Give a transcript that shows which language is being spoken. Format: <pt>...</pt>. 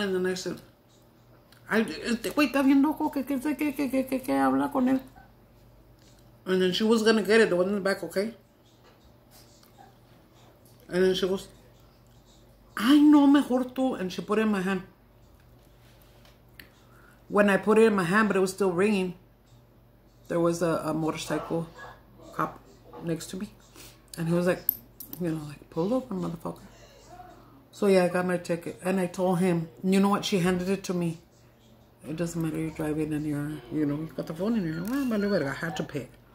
<en>And then I said,</en> <es>este güey está bien loco, que habla con él.</es> <en>And then she was gonna get it, the one in the back, okay? And then she goes,</en> <es>ay, no, mejor tú.</es> <en>And she put it in my hand. When I put it in my hand, but it was still ringing, there was a motorcycle cop next to me. And he was like, you know, like, pull over, motherfucker. So, yeah, I got my ticket. And I told him, you know what? She handed it to me. It doesn't matter, you're driving and you're, you know, you've got the phone in your hand. Well, I had to pay.</en>